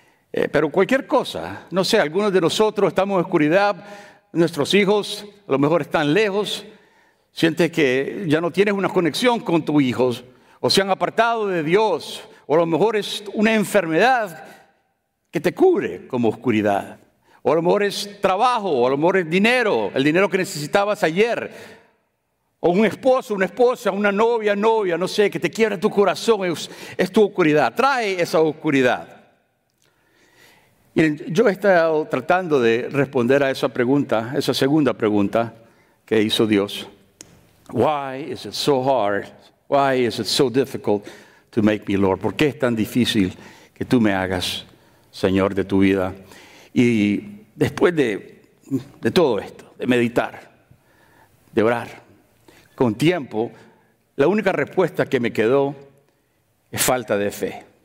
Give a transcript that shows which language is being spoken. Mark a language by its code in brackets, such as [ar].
[es] Pero cualquier cosa, no sé, algunos de nosotros estamos en oscuridad, nuestros hijos a lo mejor están lejos, sientes que ya no tienes una conexión con tus hijos, o se han apartado de Dios, o a lo mejor es una enfermedad que te cubre como oscuridad, o a lo mejor es trabajo, o a lo mejor es dinero, el dinero que necesitabas ayer, o un esposo, una esposa, una novia, no sé, que te quiebra tu corazón, es tu oscuridad, trae esa oscuridad. Miren, yo he estado tratando de responder a esa pregunta, esa segunda pregunta que hizo Dios. [en] Why is it so hard? Why is it so difficult to make me Lord? [es] ¿Por qué es tan difícil que tú me hagas Señor de tu vida? Y después de todo esto, de meditar, de orar, con tiempo, la única respuesta que me quedó es falta de fe.